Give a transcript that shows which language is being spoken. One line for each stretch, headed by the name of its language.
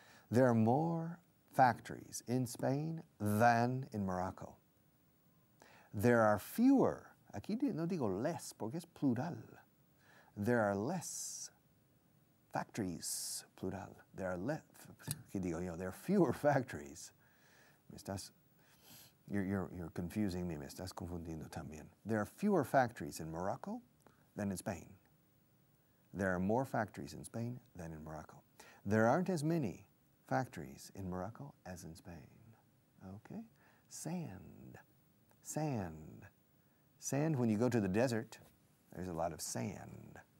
English: There are more factories in Spain than in Morocco. There are fewer.
Spanish: Aquí no digo less, porque es plural.
English: There are less factories, plural. There are less,
Spanish: aquí digo yo,
English: there are fewer factories.
Spanish: Me estás,
English: you're confusing me,
Spanish: me estás confundiendo también.
English: There are fewer factories in Morocco than in Spain. There are more factories in Spain than in Morocco. There aren't as many factories in Morocco as in Spain. Okay, sand. Sand, when you go to the desert, there's a lot of sand.